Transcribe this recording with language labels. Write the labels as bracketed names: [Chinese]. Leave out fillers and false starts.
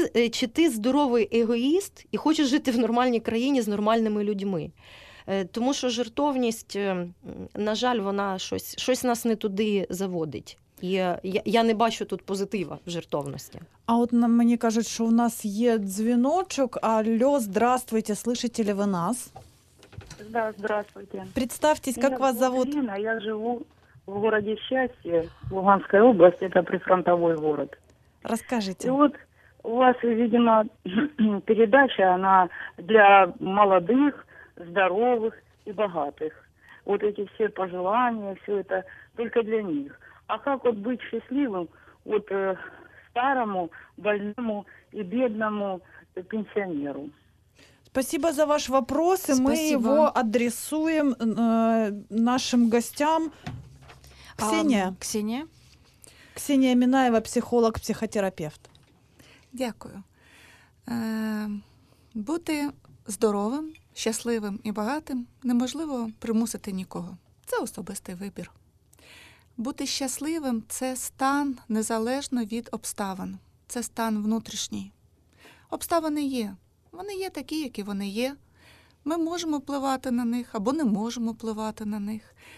[Ukrainian] Чи ти здоровий егоїст і хочеш жити в нормальній країні з нормальними людьми? Тому що жертовність, на жаль, вона щось нас не туди заводить. І я не бачу тут позитива в жертовності. А от мені кажуть, що у нас є дзвіночок. [Russian] Алло, здравствуйте, слышите ли ви нас? Да, здравствуйте. Представьтесь, как вас зовут? Ирина, я живу в городе Счастье, Луганской области, это прифронтовой город. Расскажите. И вот у вас, видимо, передача, она для молодых, здоровых и богатых. Вот эти все пожелания, все это только для них. А как вот быть счастливым вот старому, больному и бедному пенсионеру? Спасибо за ваш вопрос, спасибо. Мы его адресуем нашим гостям. Ксения Минаева, психолог, психотерапевт. [Ukrainian] Дякую. Бути здоровим, щасливим і багатим неможливо примусити нікого. Це особистий вибір. Бути щасливим – це стан незалежно від обставин. Це стан внутрішній. Обставини є. Вони є такі, які вони є. Ми можемо впливати на них або не можемо впливати на них.